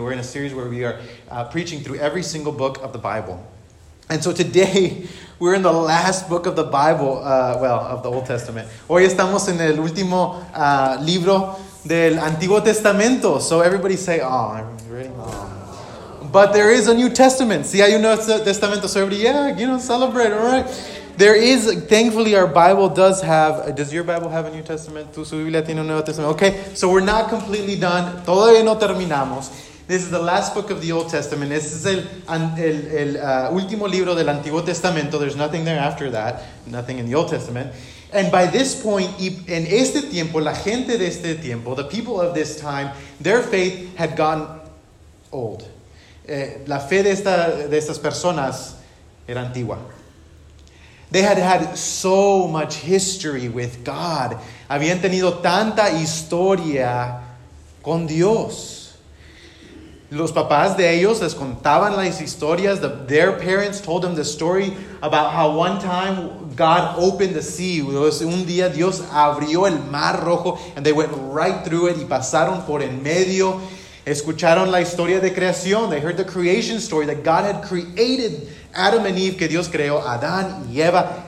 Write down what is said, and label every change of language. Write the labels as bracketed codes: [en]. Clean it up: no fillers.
[en] We're in a series where we are preaching through every single book of the Bible. And so today, we're in the last book of the Bible, of the Old Testament. [es] Hoy estamos en el último libro del Antiguo Testamento. [en] So everybody say, oh, I'm ready. But there is a New Testament. See, [es] hay un Nuevo Testamento. [en] So everybody, celebrate, all right? There is, thankfully, our Bible does your Bible have a New Testament? [es] ¿Tu Biblia tiene un Nuevo Testamento? [en] Okay, so we're not completely done. [es] Todavía no terminamos. [en] This is the last book of the Old Testament. [es] Este es el último libro del Antiguo Testamento. [en] There's nothing there after that. Nothing in the Old Testament. And by this point, [es] en este tiempo, la gente de este tiempo, [en] the people of this time, their faith had gotten old. [es] La fe de estas personas era antigua. [en] They had had so much history with God. [es] Habían tenido tanta historia con Dios. Los papás de ellos les contaban las historias. [en] Their parents told them the story about how one time God opened the sea. [es] Un día Dios abrió el Mar Rojo, [en] and they went right through it [es] y pasaron por en medio. Escucharon la historia de creación. [en] They heard the creation story that God had created Adam and Eve, [es] que Dios creó Adán y Eva.